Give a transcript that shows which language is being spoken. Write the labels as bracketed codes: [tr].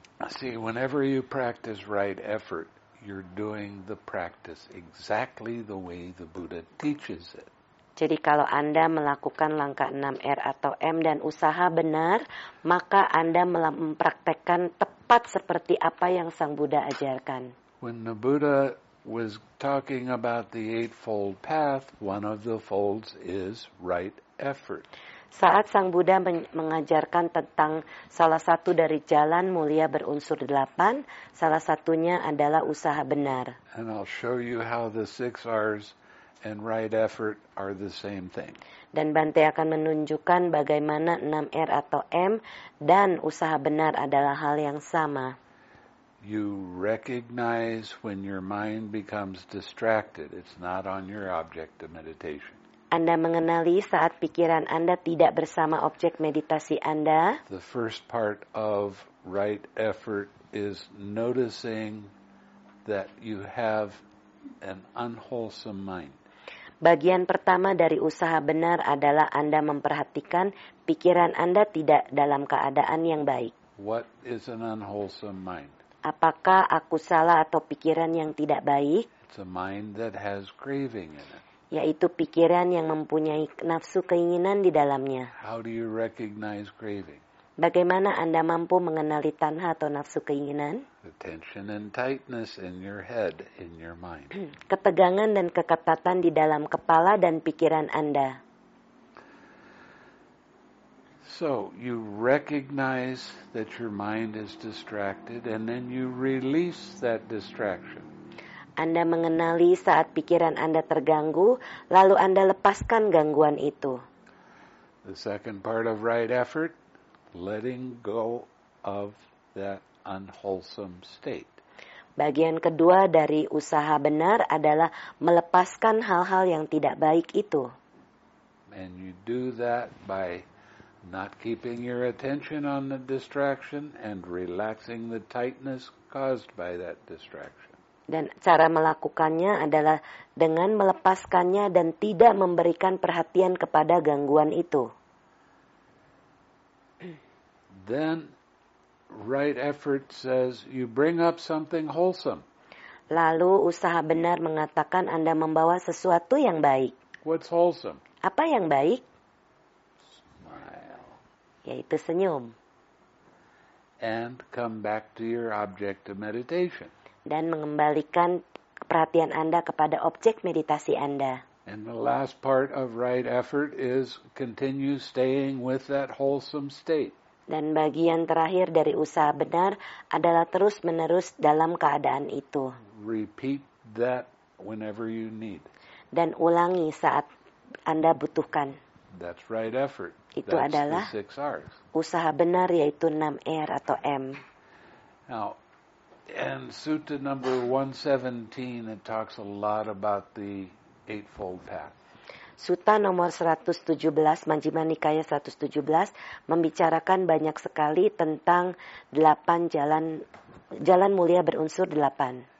[en] See, whenever you practice right effort, you're doing the practice exactly the way the Buddha teaches it. [id] Jadi kalau Anda melakukan langkah 6 R atau M dan usaha benar, maka Anda mempraktekkan tepat seperti apa yang Sang Buddha ajarkan. [en] When the Buddha was talking about the Eightfold Path, one of the folds is right effort. [id] Saat Sang Buddha mengajarkan tentang salah satu dari jalan mulia berunsur 8, salah satunya adalah usaha benar. [en] And I'll show you how the 6 R's and right effort are the same thing. [id] Dan Bante akan menunjukkan bagaimana 6 R atau M dan usaha benar adalah hal yang sama. [en] You recognize when your mind becomes distracted. It's not on your object of meditation. [id] Anda mengenali saat pikiran Anda tidak bersama objek meditasi Anda. [en] The first part of right effort is noticing that you have an unwholesome mind. [id] Bagian pertama dari usaha benar adalah Anda memperhatikan pikiran Anda tidak dalam keadaan yang baik. [en] What is an unwholesome mind? [id] Apakah aku salah atau pikiran yang tidak baik? [en] It's a mind that has craving in it. [id] Yaitu pikiran yang mempunyai nafsu keinginan di dalamnya. [en] How do you recognize craving? [id] Bagaimana Anda mampu mengenali tanha atau nafsu keinginan? [en] The tension and tightness in your head, in your mind. [id] Ketegangan dan keketatan di dalam kepala dan pikiran Anda. [en] So, you recognize that your mind is distracted and then you release that distraction. [id] Anda mengenali saat pikiran Anda terganggu, lalu Anda lepaskan gangguan itu. [en] The second part of right effort, letting go of that unwholesome state. [id] Bagian kedua dari usaha benar adalah melepaskan hal-hal yang tidak baik itu. [en] And you do that by not keeping your attention on the distraction and relaxing the tightness caused by that distraction. [id] Dan cara melakukannya adalah dengan melepaskannya dan tidak memberikan perhatian kepada gangguan itu. [en] Then right effort says you bring up something wholesome. [id] Lalu usaha benar mengatakan Anda membawa sesuatu yang baik. [en] What's wholesome? [id] Apa yang baik? [en] Smile. [id] Yaitu senyum. [en] And come back to your object of meditation. [id] Dan mengembalikan perhatian Anda kepada objek meditasi Anda. [en] And the last part of right effort is continue staying with that wholesome state. [id] Dan bagian terakhir dari usaha benar adalah terus-menerus dalam keadaan itu. [en] Repeat that whenever you need. [id] Dan ulangi saat Anda butuhkan. [en] That's right effort. [id] Itu [en] that's [id] adalah [en] six R's. [id] Usaha benar yaitu 6 R atau M. [en] Now, and Sutta number 117, it talks a lot about the Eightfold Path. [id] Sutta nomor 117, Majjhima Nikaya 117, membicarakan banyak sekali tentang 8 jalan, jalan mulia berunsur 8.